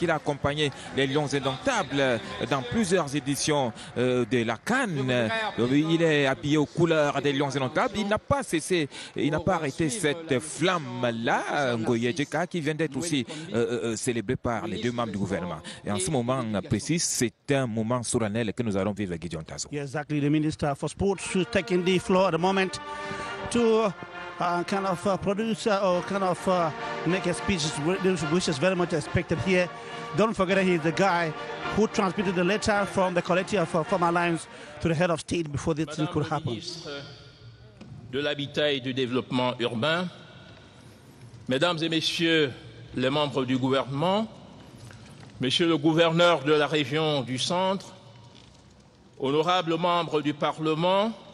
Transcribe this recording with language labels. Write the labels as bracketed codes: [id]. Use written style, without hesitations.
[fr] Il a accompagné les Lions Indomptables dans plusieurs éditions de la CAN. Il est habillé aux couleurs des Lions Indomptables. Il n'a pas cessé, il n'a pas arrêté cette flamme-là, Ngoye Djeka, qui vient d'être aussi célébré par les deux membres du gouvernement. Et en ce moment précis, c'est un moment solennel que nous allons vivre avec Gideon Tazo. [en] Exactly, the minister for sports is taking the floor at the moment to kind of produce or kind of make a speech, which is very much expected here. Don't forget that he's the guy who transmitted the letter from the collective of former lines to the head of state before this [fr] Madame [en] could happen. [fr] De l'habitat et du développement urbain, mesdames et messieurs les membres du gouvernement, monsieur le gouverneur de la région du centre, honorables membres du Parlement,